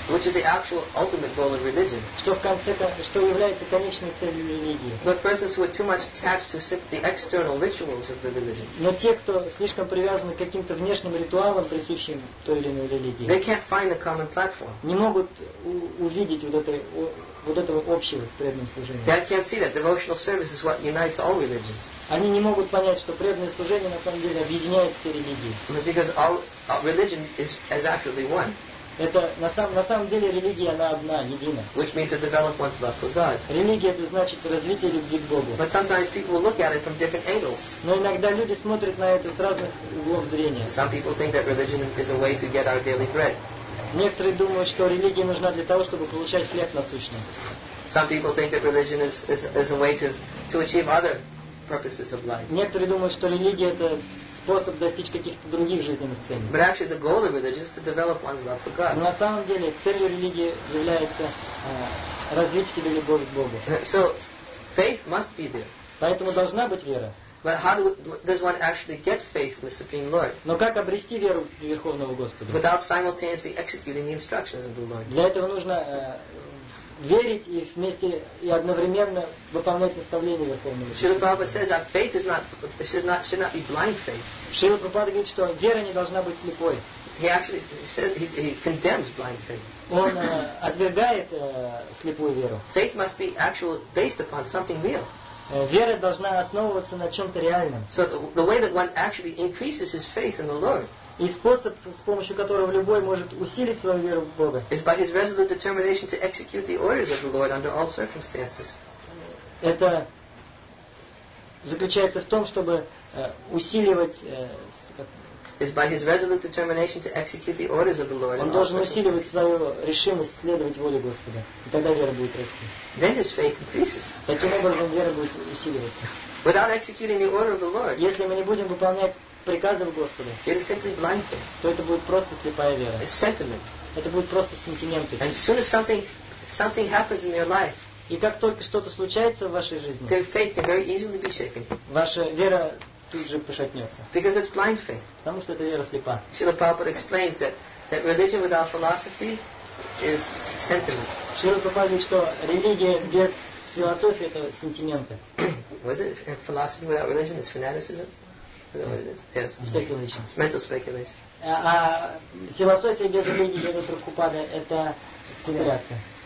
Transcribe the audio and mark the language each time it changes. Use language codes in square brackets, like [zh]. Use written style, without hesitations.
[en] Which is the actual ultimate goal of religion. [ru] Что в конце, что является конечной целью религии. [en] But persons who are too much attached to the external rituals of the religion. [ru] Но те, кто слишком привязаны к каким-то внешним ритуалам, присущим той или иной религии. [en] They can't find the common platform. [ru] Не могут увидеть вот этого общего с преданным служением. [en] They can't see that devotional service is what unites all religions. [ru] Они не могут понять, что преданное служение на самом деле объединяет все религии. [en] Because all religion is actually one. [ru] Это на самом деле религия, она одна, едина. [en] Which means to develop one's love for God. [ru] Религия — это значит развитие любви к Богу. [en] But sometimes people look at it from different angles. [ru] Но иногда люди смотрят на это с разных углов зрения. [en] Some people think that religion is a way to get our daily bread. [ru] Некоторые думают, что религия нужна для того, чтобы получать хлеб насущный. [en] Some people think that religion is a way to achieve other purposes of life. [ru] Некоторые думают, что религия — это способ достичь каких-то других жизненных целей. [en] But actually the goal of religion is to develop one's love for God. [ru] На самом деле целью религии является развить в себе любовь к Богу. [en] So faith must be there. [ru] Поэтому должна быть вера. [en] But how does one actually get faith in the Supreme Lord? [ru] Но как обрести веру в Верховного Господа? [en] Without simultaneously executing the instructions of the Lord. [ru] Для этого нужно верить и вместе и одновременно выполнять наставления Верховного Господа. [en] Шрила Прабхупада says that faith is not, should not be blind faith. [ru] Шрила Прабхупада говорит, что вера не должна быть слепой. [en] He actually said he condemns blind faith. [ru] Он отвергает слепую веру. [en] Faith must be actually based upon something real. [ru] Вера должна основываться на чем-то реальном. [en] So the way that one actually increases his faith in the Lord. [ru] И способ, с помощью которого любой может усилить свою веру в Бога. [en] Is by his resolute determination to execute the orders of the Lord under all circumstances. [ru] Это заключается в том, чтобы усиливать. [en] Is by his resolute determination to execute the orders of the Lord. [ru] Он должен усиливать свою решимость следовать воле Господа, и тогда вера будет расти. [en] Then his faith increases. [ru] Таким образом, вера будет усиливаться. [en] Without executing the order of the Lord. [ru] Если мы не будем выполнять приказов Господа, [en] it is simply blind faith. [ru] То это будет просто слепая вера. [en] It's sentiment. [ru] Это будет просто сентименты. [en] And as soon as something happens in your life. [ru] И как только что-то случается в вашей жизни, [en] then faith can very easily be shaken. [ru] Ваша вера тут же пошатнется. [en] Because it's blind faith. [ru] Потому что это вера слепа. [en] Srila Prabhupada explains that religion without philosophy is sentiment. [ru] Шрила Прабхупада говорит, что религия без философии — это сентименты. [en] Was it philosophy without religion is fanaticism? Yes. Speculation. It's mental speculation. [ru] А философия без религии, без Прабхупады — это спекуляция.